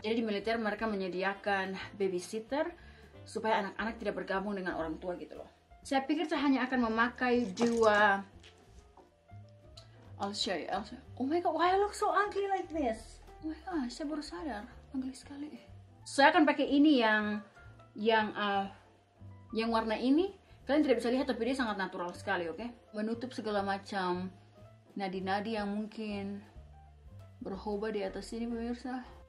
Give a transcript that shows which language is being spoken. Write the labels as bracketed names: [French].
[Indonesian] Jadi di militer mereka menyediakan babysitter supaya anak-anak tidak bergabung dengan orang tua gitu loh. Saya pikir saya hanya akan memakai dua. [English] I'll show you. Oh my god, why I look so ugly like this? Oh my god, [Indonesian] saya baru sadar, ugly sekali. Saya akan pakai ini yang warna ini. Kalian tidak bisa lihat tapi dia sangat natural sekali, oke? Okay? Menutup segala macam nadi-nadi yang mungkin berhoba di atas sini, pemirsa.